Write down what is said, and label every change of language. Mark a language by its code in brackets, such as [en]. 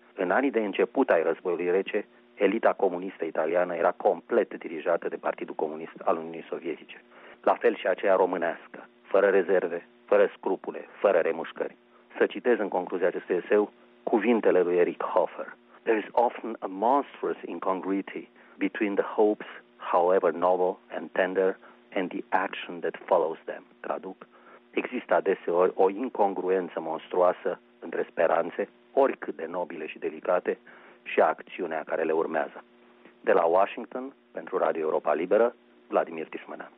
[ro] În anii de început ai Războiului Rece, elita comunistă italiană era complet dirijată de Partidul Comunist al Uniunii Sovietice, la fel și aceea românească, fără rezerve, fără scrupule, fără remușcări. Să citez în concluzia acestui eseu cuvintele lui Eric Hoffer. [en] There is often a monstrous incongruity between the hopes, however noble and tender, and the action that follows them. [ro] Traduc, există adeseori o incongruență monstruoasă între speranțe, oricât de nobile și delicate, și acțiunea care le urmează. De la Washington, pentru Radio Europa Liberă, Vladimir Tismana.